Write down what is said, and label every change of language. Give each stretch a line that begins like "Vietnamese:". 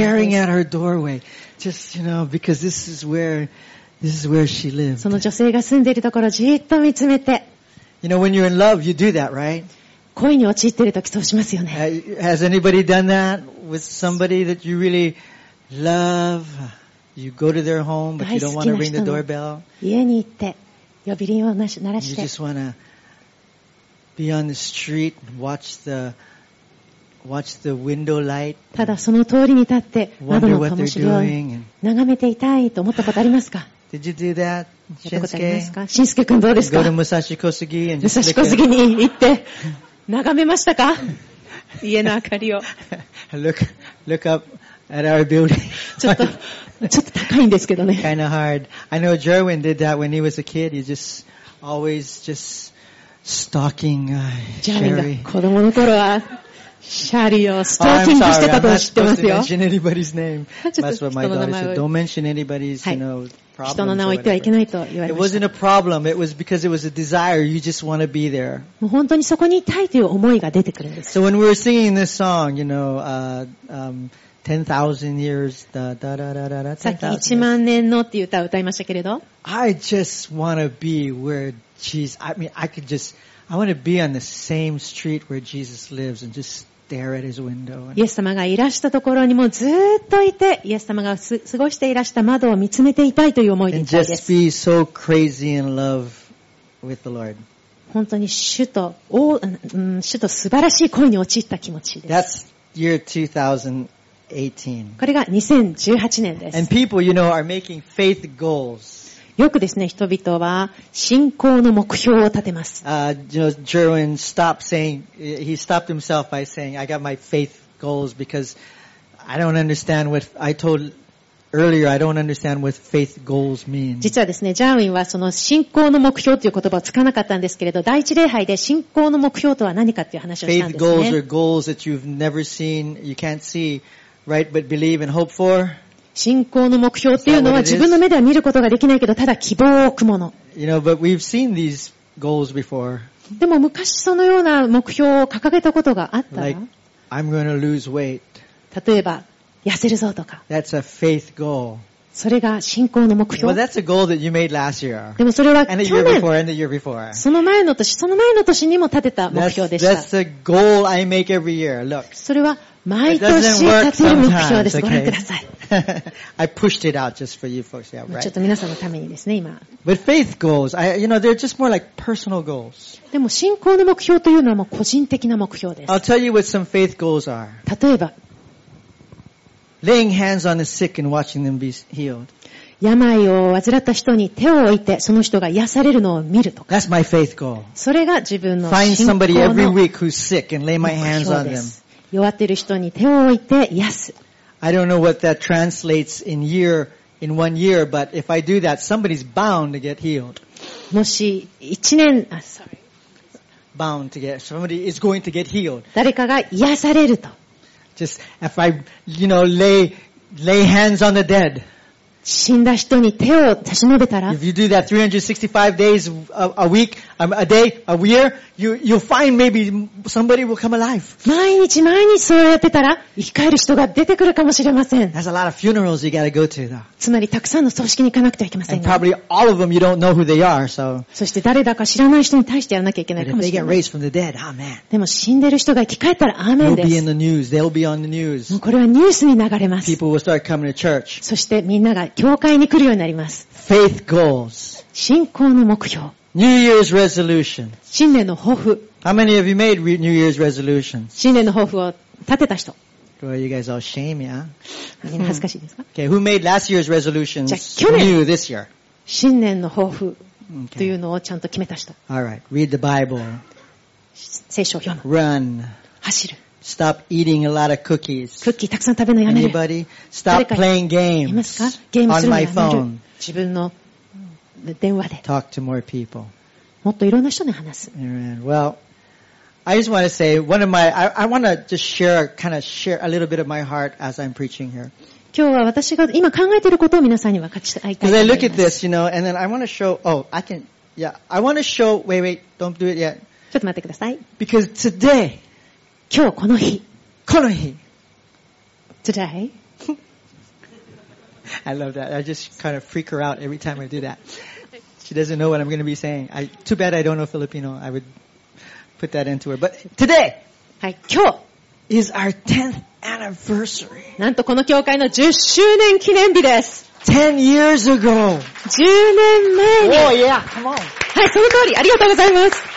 English: Just staring at her doorway. Just, you know, because this is where This is where she lived.
Japanese: その女性が住んでいるところをじっと見つめて。
English: You know, when you're in love, you do that, right?
Japanese: 恋に陥っているときそうしますよね。
English: Has anybody done that with somebody that you really love? You go to their home, but you don't want to ring the doorbell.
Japanese: 家に行って、呼び鈴を鳴らして。
English: You just want to be on the street and watch the window light.
Japanese: ただその通りに立って、窓の灯火を眺めていたいと思ったことありますか?
English: Did you do that, Shinsuke?
Japanese: Shinsuke 君どうですか?
English: Go to Musashi Kosugi and just
Japanese: Musashi Kosugi に行って眺めましたか? 家の明かりを
English: Look up at our building.
Japanese: ちょっと高いんですけどね。
English: Kind of hard. I know Jerwin did that when he was a kid. He just always just stalking Sherry.
Japanese: Jerwin が子供の頃はシャーリーをストーキングしてたと知ってますよ。
English: Don't mention anybody's name. That's what my daughter said. Don't mention anybody's, you know, problems.
Japanese: 人の名を言ってはいけないと言われました。
English: It wasn't a problem. It was because it was a desire. You just want to be there.
Japanese: もう本当にそこにいたいという思いが出てくるんです。
English: So when we were singing this song, you know, 10,000 years, da da da da da da.
Japanese: さっき1万年のっていう歌を歌いましたけれど。
English: I just want to be where Jesus. I mean, I could just. I want to be on the same street where Jesus lives and just stare at his window.
Japanese: イエス様がいらしたところにもずーっといて、イエス様が過ごしていらした窓を見つめていたいという思いでいたいです。
English: And just be so crazy in love with the Lord.
Japanese: 本当に主と素晴らしい恋に陥った気持ちです。
English: That's year 2018.
Japanese: これが2018年です。
English: And people, you know, are making faith goals.
Japanese: よくですね、人々は信仰の目標を立てます。
English: Jerwin stopped saying, he stopped himself by saying, I got my faith goals because I don't understand what I told earlier, I don't understand what faith goals mean.
Japanese: 実はですね、ジャーウィンはその信仰の目標という言葉を使わなかったんですけれど、第一礼拝で信仰の目標とは何かという話をしたんですね。
English: Faith goals are goals that you've never seen, you can't see, right, but believe and hope for.
Japanese: 信仰の目標っていうのは自分の目では見ることができないけど、ただ希望を置くもの。
English: You know, but we've seen these goals before.
Japanese: でも昔そのような目標を掲げたことがあったら、
English: like, I'm going to lose weight.
Japanese: 例えば痩せるぞとか。
English: That's a faith goal.
Japanese: それが信仰の目標。
English: Well, that's a goal that you made last year.
Japanese: でもそれは去年。
English: And the year before, and the year before.
Japanese: その前の年、その前の年にも立てた目標でした。
English: That's a goal I make every year. Look.
Japanese: それは毎年立てる目標です。ご覧ください。
English: I pushed it out just for you folks. Yeah, right.
Japanese: ちょっと皆さんのためにですね、今。
English: But faith goals, I, you know, they're just more like personal goals.
Japanese: でも信仰の目標というのはもう個人的な目標です。
English: I'll tell you what some faith goals are.
Japanese: 例えば、
English: laying hands on the sick and watching them be healed.
Japanese: 病を患った人に手を置いてその人が癒されるのを見るとか。
English: That's my faith goal.
Japanese: それが自分の信仰の目標です。
English: Find somebody every week who's sick and lay my hands on them.
Japanese: 弱っている人に手を置いて癒す。
English: I don't know what that translates in year, in one year, but if I do that, somebody's bound to get healed.
Japanese: もし一年、あ、
English: sorry. Bound to get, somebody is going to get healed.
Japanese: 誰かが癒されると。
English: Just, if I, you know, lay hands on the dead.
Japanese: 死んだ人に手を差し伸べたら。
English: If you do that 365 days a week, a day, a year, you'll find maybe somebody will come alive.
Japanese: 毎日毎日そうやってたら、生き返る人が出てくるかもしれません。
English: There's a lot of funerals you gotta go to, though.
Japanese: つまり、たくさんの葬式に行かなくてはいけません
English: ね。And probably all of them you don't know who they are, so.
Japanese: そして誰だか知らない人に対してやらなきゃいけないかもしれない。
English: But if they get raised from the dead, amen.
Japanese: でも死んでる人が生き返ったら、アーメンです。
English: They'll be in the news. They'll be on the news.
Japanese: もうこれはニュースに流れます。
English: People will start coming to church.
Japanese: そしてみんなが教会に来るようになります。
English: Faith goals.
Japanese: 信仰の目標。
English: New Year's resolution.
Japanese: 新年の抱負。
English: How many of you made New Year's resolutions?
Japanese: 新年の抱負を立てた人。
English: Well, you guys all shame, yeah?
Japanese: 恥ずかしいですか?
English: Okay, who made last year's resolutions?
Japanese: じゃあ去年。
English: New this year.
Japanese: 新年の抱負というのをちゃんと決めた人。
English: Okay. All right. Read the Bible.
Japanese: 聖書を読む。
English: Run.
Japanese: 走る。
English: Stop eating a lot of cookies.
Japanese: クッキーたくさん食べるのやめる。
English: Anybody? Stop playing games.
Japanese: いますか? ゲームするのやめる。
English: On my phone.
Japanese: 自分の電話で。
English: Talk to more people.
Japanese: もっといろんな人に話す。
English: Amen. Well, I just want to say one of my, I want to just share, kind of share a little bit of my heart as I'm preaching here.
Japanese: 今日は私が今考えていることを皆さんに分かち合いたいと思います。
English: As I look at this, you know, and then I want to show, oh, I can, yeah, I want to show, wait, don't do it yet.
Japanese: ちょっと待ってください。
English: Because today,
Japanese: 今日この日、この日、
English: today, I love that. I just kind of freak her out every time I do that. She doesn't know what I'm going to be saying. I, too bad I don't know Filipino. I would put that into her. But today,
Japanese: はい、今日
English: is our 10th anniversary.
Japanese: なんとこの教会の10周年記念日です。
English: 10 years ago.
Japanese: 10年前に。
English: Oh yeah, come on.
Japanese: はい、その通り。ありがとうございます。